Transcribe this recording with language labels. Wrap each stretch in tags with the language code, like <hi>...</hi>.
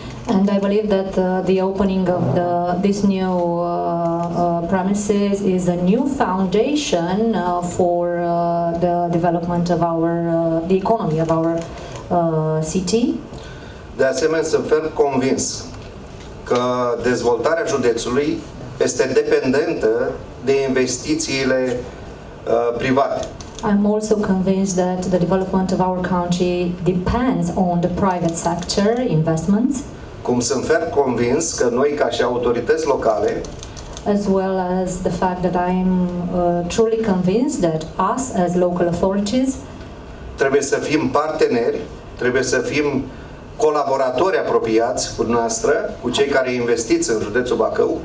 <en>And I believe that the opening of the this new premises is a new foundation for the development of our the economy of our city.</en> <ro>De asemenea, sunt ferm convins că dezvoltarea județului este dependentă de investițiile private.</ro> <en>I'm also convinced that the development of our country depends on the private sector investments.</en> <ro>Cum sunt ferm convins că noi ca și autorități locale,</ro> <en>as well as the fact that I'm truly convinced that us as local authorities,</en> <ro>trebuie să fim parteneri, trebuie să fim colaboratori apropiați cu noastră, cu cei care investiți în județul Bacău.</ro>